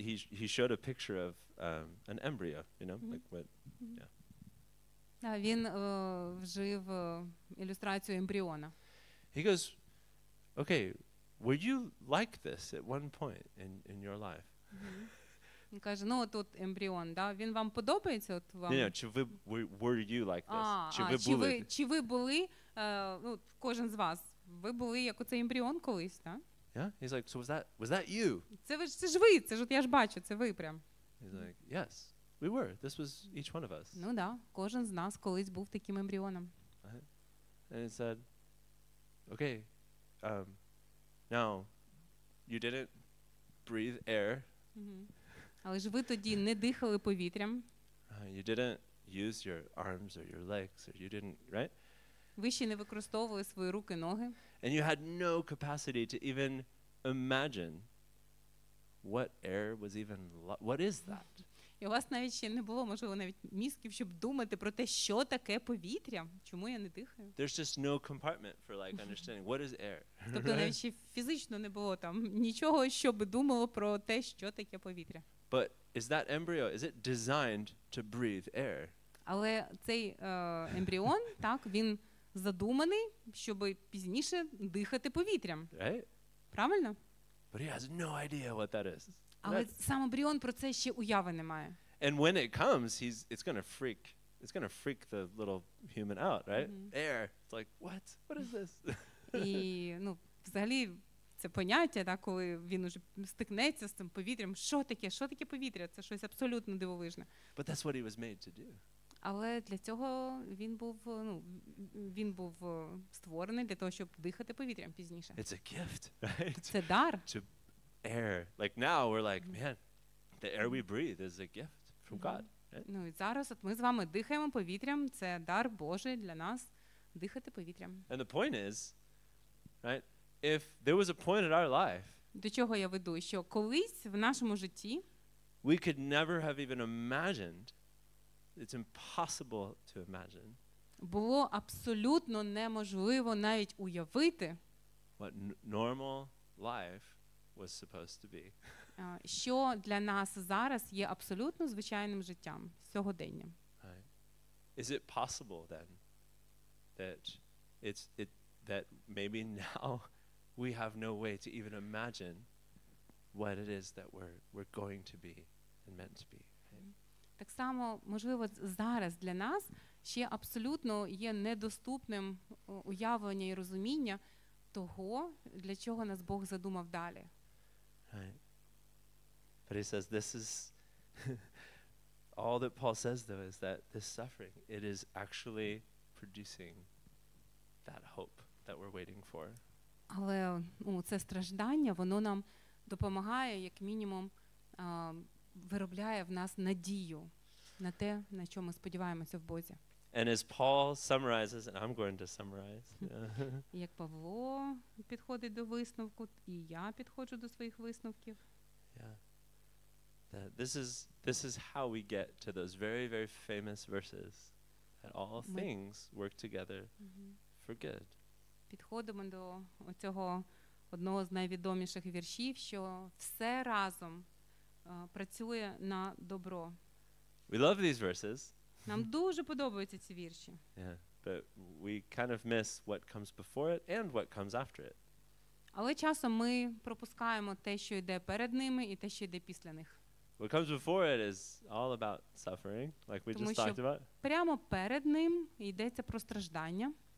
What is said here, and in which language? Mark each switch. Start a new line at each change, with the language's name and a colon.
English: He showed a picture of an embryo, you know, like what, yeah.
Ukrainian: Він вжив ілюстрацію ембріона.
English: He goes, okay, were you like this at one point in your life?
Ukrainian: Він каже, ну, тут ембріон, да? Він вам подобається? От вам? Ні, чи ви,
English: were you like this?
Ukrainian: Чи ви були, ну, кожен з вас, ви були як оцей ембріон колись, так?
English: Да? Yeah, he's like, so was that you?
Ukrainian: Це ж ви, це ж от я ж бачу, це ви прям.
English: He's like, yes, we were, this was each one of us.
Ukrainian: Ну, да, кожен з нас колись був таким ембріоном. Uh-huh.
English: And he said, okay, now, you didn't breathe air.
Ukrainian: Але ж ви тоді не дихали повітрям.
English: You didn't use your arms or your legs, or you didn't, right?
Ukrainian: Ви ще не використовували свої руки, ноги.
English: And you had no capacity to even imagine what air was even, what is that?
Ukrainian: І у вас навіть ще не було, можливо, навіть мізків, щоб думати про те, що таке повітря, чому я не дихаю.
English: There's just no compartment for like understanding what is air.
Ukrainian: Тобто навіть ще фізично не було там нічого, щоб думало про те, що таке повітря.
English: But is that embryo, is it designed to breathe air?
Ukrainian: Але цей ембріон, так, він задуманий, щоб пізніше дихати повітрям.
English: Right?
Ukrainian: Правильно?
English: But he has no idea what that is.
Ukrainian: Але сам ембріон про це ще уяви не має.
English: And when it comes, it's going to freak the little human out, right? Mm-hmm. Air. It's like, what? What is this?
Ukrainian: І, ну, взагалі це поняття, да, коли він уже стикнеться з цим повітрям. Що таке повітря? Це щось абсолютно дивовижне.
English: But that's what he was made to do.
Ukrainian: Але для цього він був, ну, він був створений для того, щоб дихати повітрям пізніше.
English: It's a gift, right?
Ukrainian: Це дар.
English: To air. Like now we're like, man, the air we breathe is a gift. from God.
Ukrainian: Ну і зараз от ми з вами дихаємо повітрям, це дар Божий для нас дихати повітрям.
English: And the point is, right? If there was a point in our life,
Ukrainian: до чого я веду, що колись в нашому житті
English: we could never have even imagined, it's impossible to imagine,
Ukrainian: було абсолютно неможливо навіть уявити
English: what normal life was supposed to be.
Ukrainian: Що для нас зараз є абсолютно звичайним життям, сьогоденням.
English: Is it possible then that it's it that maybe now we have no way to even imagine what it is that we're going to be and meant to be?
Ukrainian: Так само, можливо, зараз для нас ще абсолютно є недоступним уявлення і розуміння того, для чого нас Бог задумав далі.
English: But he says this is all that Paul says though is that this suffering, it is actually producing that hope that we're waiting for.
Ukrainian: Але це страждання, воно нам допомагає, як мінімум, виробляє в нас надію на те, на що ми сподіваємося в Бозі.
English: And as Paul summarizes, and I'm going to summarize.
Ukrainian: Як Павло підходить до висновку, і я підходжу до своїх висновків.
English: This is how we get to those very, very famous verses that all things work together for good.
Ukrainian: Підходимо до цього одного з найвідоміших віршів, що все разом працює на добро.
English: We love these verses.
Ukrainian: Нам дуже подобаються ці вірші.
English: Yeah, but we kind of miss what comes before it and what comes after it.
Ukrainian: Але часом ми пропускаємо те, що йде перед ними, і те, що йде після них.
English: What comes before it is all about suffering, like we
Ukrainian: Тому
English: just talked about.
Ukrainian: Прямо перед ним йдеться про страждання.